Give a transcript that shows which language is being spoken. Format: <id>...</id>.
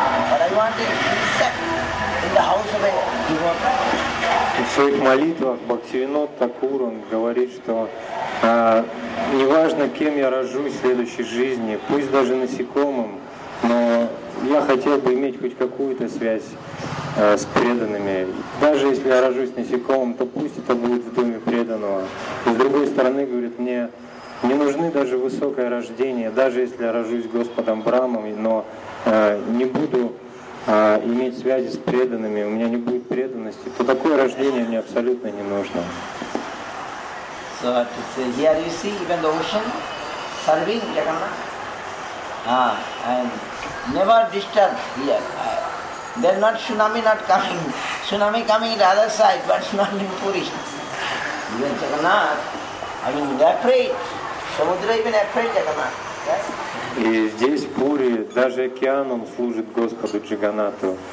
<en>But I want an insect in the house of a devotee.</en> <ru>В своих молитвах Бхактивинод Такур он говорит, что неважно, кем я рожусь в следующей жизни, пусть даже насекомым, но я хотел бы иметь хоть какую-то связь с преданными. Даже если я рожусь насекомым, то пусть это будет в доме преданного. И с другой стороны, говорит, мне не нужны даже высокое рождение, даже если я рожусь Господом Брамом, но не буду иметь связи с преданными, у меня не будет преданности, то такое рождение мне абсолютно не нужно.</ru> <en>So, here you see, even the ocean serving Jagannath. And never disturb here. There's not tsunami not coming. Tsunami coming on the other side, but not in Puri. Even Jagannath, they're afraid. Samudra even afraid Jagannath. Yes?</en> <ru>И здесь, в Пури, даже океан, он служит Господу Джаганнату.</ru>